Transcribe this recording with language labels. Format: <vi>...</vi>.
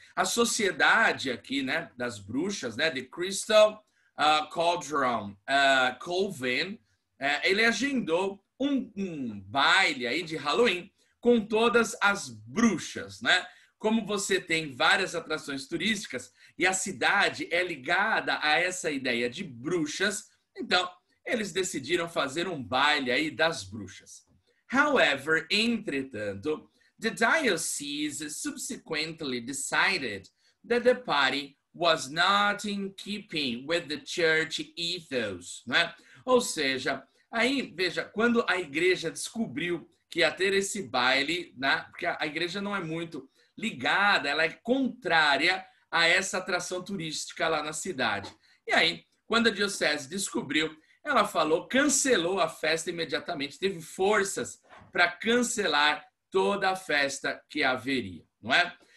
<pt>A sociedade aqui, né, das bruxas, né, the Crystal Cauldron Convent, ele agendou um baile aí de Halloween com todas as bruxas, né? Como você tem várias atrações turísticas e a cidade é ligada a essa ideia de bruxas, então eles decidiram fazer um baile aí das bruxas.</pt> <en>However,</en> <pt>entretanto,</pt> <en>the diocese subsequently decided that the party was not in keeping with the church ethos, né?</en> <pt>Ou seja, aí, veja, quando a igreja descobriu que ia ter esse baile, né? Porque a igreja não é muito ligada, ela é contrária a essa atração turística lá na cidade. E aí, quando a diocese descobriu, ela falou, cancelou a festa imediatamente, teve forças para cancelar toda a festa que haveria, não é?</pt>